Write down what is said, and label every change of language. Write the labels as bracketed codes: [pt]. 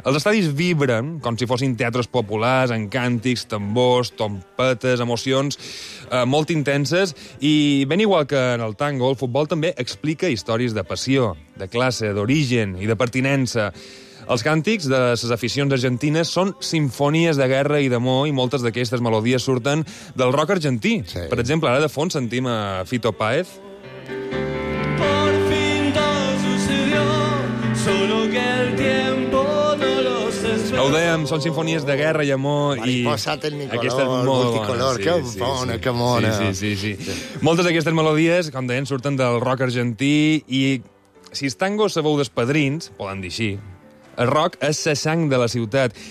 [ca] Els estadis vibren com si fossin teatres populars, amb càntics, tambors, trompetes, emocions molt intenses, i ben igual que en el tango, el futbol també explica històries de passió, de classe, d'origen i de pertinença. Els càntics de les aficions argentines són simfonies de guerra i d'amor, i moltes d'aquestes melodies surten del rock argentí. Sí. Per exemple, ara de fons sentim a Fito Páez. [es] Por fin todo sucedió, solo que el tiempo no los esperó. [ca] Ho dèiem, són simfonies de guerra i amor. Aquesta és molt bona. Multicolor, sí, que sí, bona, sí. Que bona. Sí, sí, sí, sí. Moltes d'aquestes melodies, com dèiem, surten del rock argentí, i si els tangos sabeu d'espadrins, poden dir així, el rock és la sang de la ciutat.